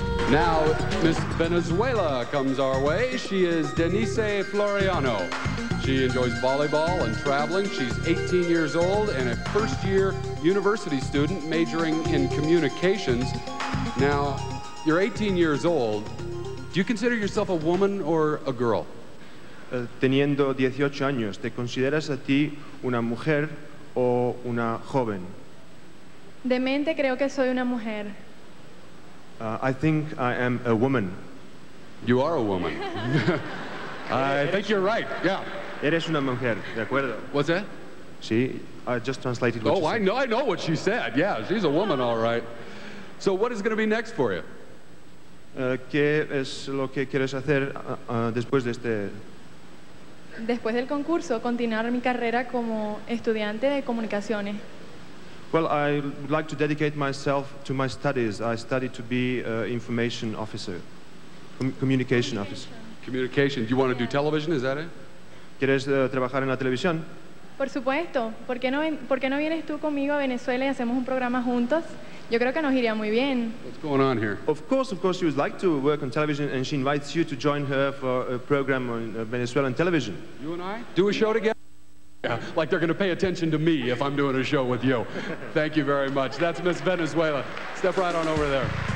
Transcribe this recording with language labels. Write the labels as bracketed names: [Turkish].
[English] Now, Miss Venezuela comes our way. She is Denyse Floreano. She enjoys volleyball and traveling. She's 18 years old and a first-year university student majoring in communications. Now, you're 18 years old. Do you consider yourself a woman or a girl? [Spanish] Teniendo 18 años, ¿te consideras a ti una mujer o una joven? De mente creo que soy una mujer. [English] I think I am a woman. You are a woman. I think you're right, yeah. [Spanish] Eres una mujer, de acuerdo. [English] What's that? Sí, I just translated what she said. Oh, I know what she said. Yeah, she's a woman, all right. So what is going to be next for you? [Spanish] ¿Qué es lo que quieres hacer después de este...? Después del concurso, continuar mi carrera como estudiante de comunicaciones. [English] Well, I would like to dedicate myself to my studies. I study to be an information officer, communication officer. Communication. Do you want to do television? Is that it? [Spanish] ¿Quieres trabajar en la televisión? Por supuesto. ¿Por qué no vienes tú conmigo a Venezuela y hacemos un programa juntos? Yo creo que nos iría muy bien. [English] What's going on here? Of course, she would like to work on television, and she invites you to join her for a program on Venezuelan television. You and I? Do a show together? Yeah, like they're going to pay attention to me if I'm doing a show with you. Thank you very much. That's Miss Venezuela. Step right on over there.